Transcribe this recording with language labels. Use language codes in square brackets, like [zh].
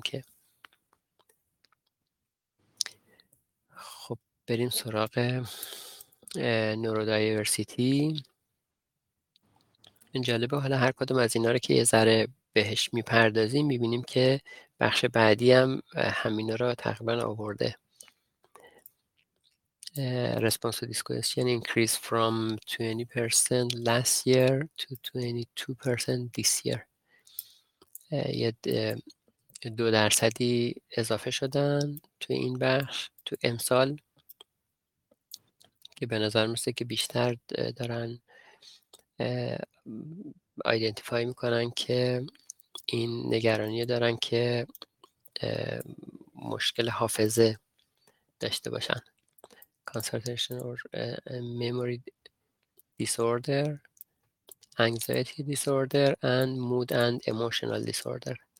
[fa] که خب بریم سراغ نورو دایورسیتی. این جالبه، حالا هر کدوم از اینا رو که یه ذره بهش میپردازیم میبینیم که بخش بعدی هم همینا رو تقریبا آورده. [en] Response to discussion increased from 20% last year to 22% this year. [fa] یه 2% اضافه شدن تو این بخش تو امسال، که به نظر میسته که بیشتر دارن ایدنتیفای میکنن که این نگرانی دارن که مشکل حافظه داشته باشن، [en] concentration or memory disorder, anxiety disorder and mood and emotional disorder.